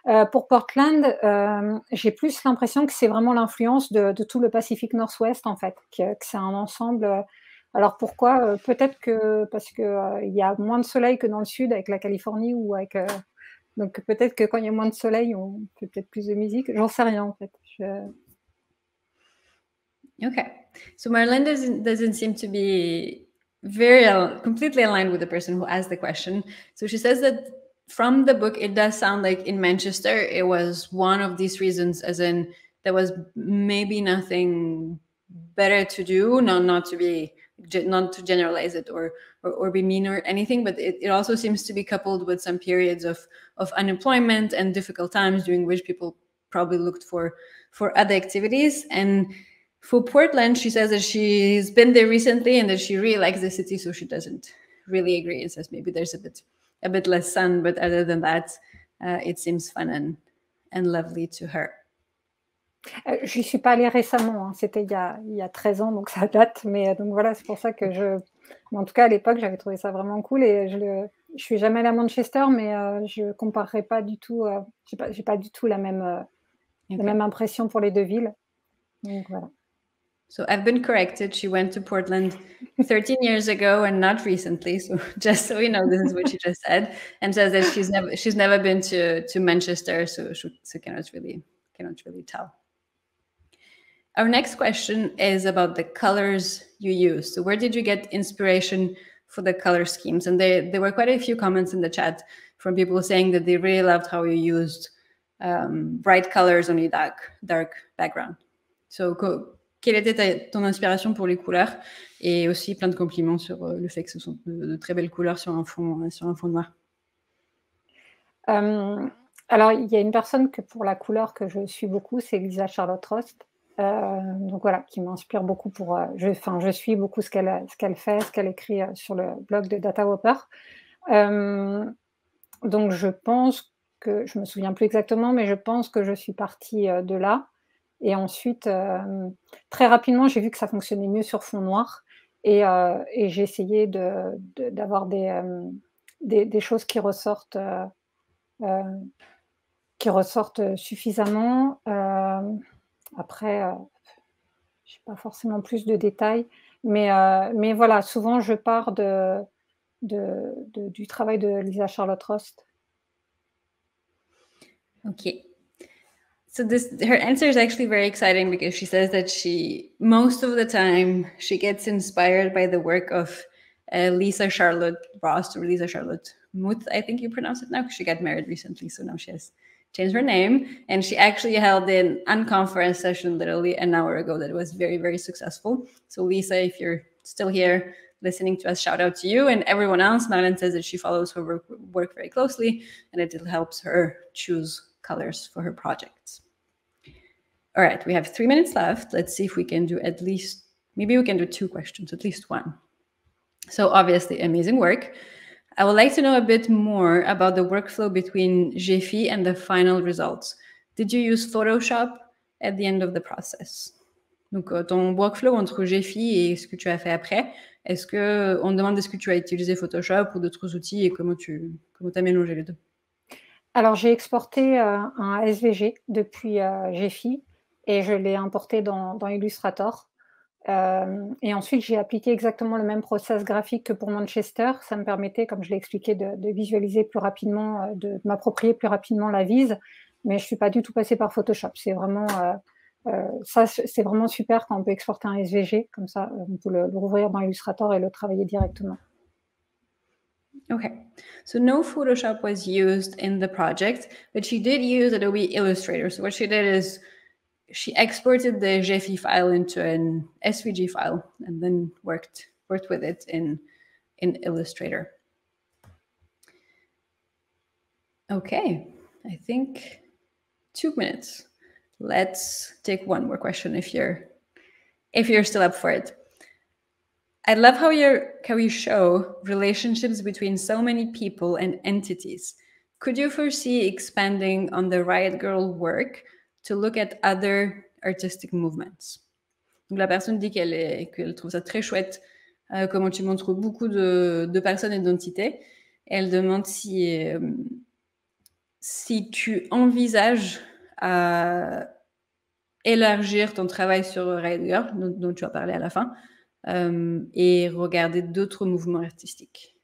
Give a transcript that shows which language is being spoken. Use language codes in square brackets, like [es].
[fr] Pour Portland, j'ai plus l'impression que c'est vraiment l'influence de tout le Pacifique Nord-Ouest, en fait, que c'est un ensemble. Alors pourquoi? Peut-être que parce que il y a moins de soleil que dans le sud avec la Californie ou avec donc peut-être que quand il y a moins de soleil, on fait peut-être plus de musique. J'en sais rien en fait. [en] Okay, so Marlene doesn't seem to be very completely aligned with the person who asked the question. So she says that from the book, it does sound like in Manchester it was one of these reasons, as in there was maybe nothing better to do, not to generalize it or be mean or anything, but it also seems to be coupled with some periods of unemployment and difficult times during which people probably looked for other activities. And for Portland, she says that she's been there recently and that she really likes the city, so she doesn't really agree and says maybe there's a bit less sun, but other than that, it seems fun and lovely to her. [fr] Je n'y suis pas allée récemment, hein. C'était il y a 13 ans, donc ça date. Mais donc voilà, c'est pour ça que je... Mais en tout cas, à l'époque, j'avais trouvé ça vraiment cool. Et je ne suis jamais allée à Manchester, mais je ne comparerai pas du tout... j'ai pas du tout la même impression pour les deux villes. Donc voilà. [en] So I've been corrected. She went to Portland 13 years ago and not recently. So just so you know, this is what she just said. And says that she's never been to Manchester, so cannot really tell. Our next question is about the colors you use. So where did you get inspiration for the color schemes? And there were quite a few comments in the chat from people saying that they really loved how you used bright colors on a dark background. [fr] So quelle était ton inspiration pour les couleurs? Et aussi plein de compliments sur le fait que ce sont de très belles couleurs sur un fond noir. Alors, il y a une personne que pour la couleur que je suis beaucoup, c'est Lisa Charlotte Rost. Donc voilà, qui m'inspire beaucoup pour... Je suis beaucoup ce qu'elle fait, ce qu'elle écrit sur le blog de Data Whopper. Donc je pense que... Je ne me souviens plus exactement, mais je pense que je suis partie de là. Et ensuite, très rapidement, j'ai vu que ça fonctionnait mieux sur fond noir. Et j'ai essayé d'avoir des choses qui ressortent... qui ressortent suffisamment. Je n'ai pas forcément plus de détails, mais voilà, souvent je pars du travail de Lisa Charlotte Rost. Ok. [en] So this, her answer is actually very exciting because she says that she, most of the time, she gets inspired by the work of Lisa Charlotte Rost, or Lisa Charlotte Muth, I think you pronounce it now, because she got married recently, so now she has changed her name. And she actually held an unconference session literally an hour ago that was very, very successful. So Lisa, if you're still here listening to us, shout out to you and everyone else. Marlene says that she follows her work very closely and it helps her choose colors for her projects. All right, we have 3 minutes left. Let's see if we can do at least one. So obviously amazing work. I would like to know a bit more about the workflow between Gephi and the final results. Did you use Photoshop at the end of the process? [fr] Donc, ton workflow entre Gephi et ce que tu as fait après, est-ce que on demande est-ce que tu as utilisé Photoshop ou d'autres outils et comment tu as mélangé les deux? Alors, j'ai exporté un SVG depuis Gephi et je l'ai importé dans Illustrator. Et ensuite, j'ai appliqué exactement le même process graphique que pour Manchester. Ça me permettait, comme je l'ai expliqué, de visualiser plus rapidement, de m'approprier plus rapidement la vise. Mais je ne suis pas du tout passée par Photoshop. C'est vraiment, ça, c'est vraiment super quand on peut exporter un SVG. Comme ça, on peut le rouvrir dans Illustrator et le travailler directement. [en] Okay, so no Photoshop was used in the project, but she did use Adobe Illustrator. So what she did is... She exported the Gephi file into an SVG file and then worked with it in Illustrator. Okay, I think 2 minutes. Let's take one more question if you're still up for it. I love how you show relationships between so many people and entities. Could you foresee expanding on the Riot Girl work to look at other artistic movements? [fr] Donc la personne dit qu'elle trouve ça très chouette comment tu montres beaucoup de personnes et d'entités. Elle demande si tu envisages à élargir ton travail sur Riot Girl, dont tu as parlé à la fin, et regarder d'autres mouvements artistiques.